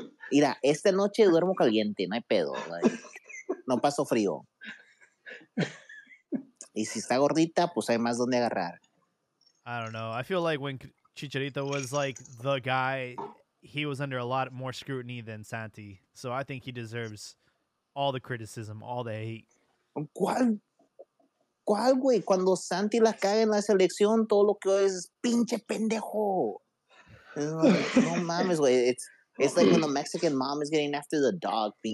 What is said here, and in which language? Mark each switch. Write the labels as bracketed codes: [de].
[es] Mira, esta noche duermo caliente, no hay pedo. Like, no paso frío. Y si está gordita, pues hay más donde agarrar. [en] I don't know. I feel like when Chicharito was like the guy, he was under a lot more scrutiny than Santi. So I think he deserves all the criticism, all the hate. [es] ¿Cuál, güey? Cuando Santi la caga en la selección, todo lo que es pinche pendejo. No mames, güey. [en] It's like when the Mexican mom is getting after the dog.